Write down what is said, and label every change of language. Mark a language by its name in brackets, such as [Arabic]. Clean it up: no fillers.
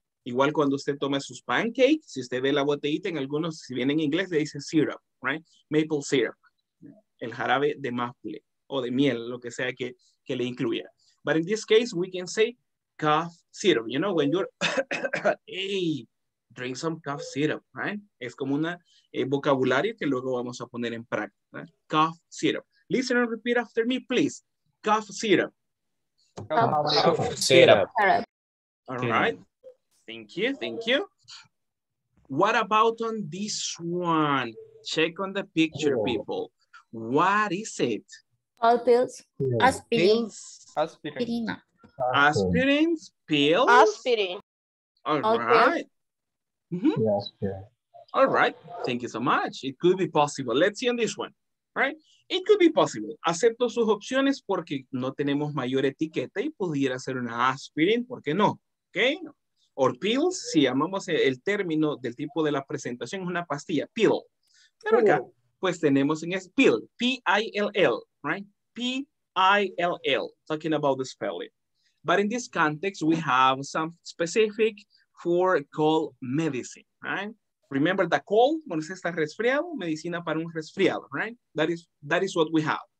[Spanish] Igual cuando usted toma sus pancakes, si usted ve la botellita en algunos, si viene en inglés, le dice syrup, [English] right? Maple syrup. [Spanish] El jarabe de maple o de miel, lo que sea que le incluya. [English] But in this case, we can say cough syrup. You know, when you're, hey, drink some cough syrup, right? [Spanish] Es como una vocabulario que luego vamos a poner en práctica. [English] Right? Cough syrup. Listen and repeat after me, please. Cough syrup. Cough syrup. All right. Thank you. What about on this one? Check on the picture, people. What is it? All pills. Aspirin. Aspirin. Aspirin. Pills. Aspirin. All right. Mm-hmm. Yeah, all right. Thank you so much. It could be possible. Let's see on this one. Right? It could be possible. [Spanish] Acepto sus opciones porque no tenemos mayor etiqueta y pudiera ser una aspirin. ¿Por qué no? Ok. [English] Or pills, [Spanish] si llamamos el término del tipo de la presentación, es una pastilla, pill. Pero acá, pues tenemos en es pill, P-I-L-L, right? [English] P-I-L-L, talking about the spelling. But in this context, we have some specific for cold medicine, right? Remember the cold, [Spanish] cuando se está resfriado, medicina para un resfriado, right? [English] That is what we have.